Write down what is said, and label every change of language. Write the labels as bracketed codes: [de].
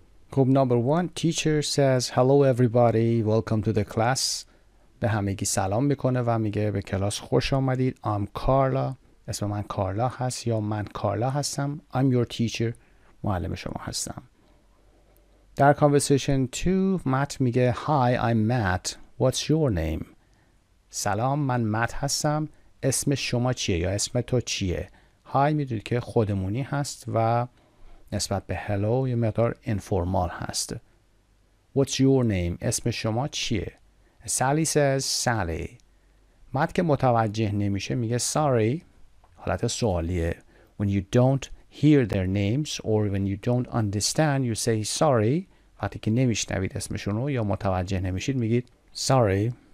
[en] Group number 1 teacher says hello everybody, welcome to the class. [fa] به همگی سلام میکنه و میگه به کلاس خوش اومدید. [en] I'm Carla. [fa] اسم من کارلا هست یا من کارلا هستم. [en] I'm your teacher. معلم شما هستم. در conversation 2 مات میگه Hi, I'm Matt. What's your name? [fa] سلام من مات هستم. اسم شما چیه یا اسم تو چیه؟ Hi میدونید که خودمونی هست و نسبت به hello یه مقدار informal هست. [en] What's your name? اسم شما چیه؟ Sally says Sally. [fa] مات که متوجه نمیشه میگه Sorry. حالت سوالیه. [en] When you don't hear their names or when you don't understand, you say sorry. [fa] وقتی که نمیشنوید اسمشون رو یا متوجه نمیشید میگید sorry.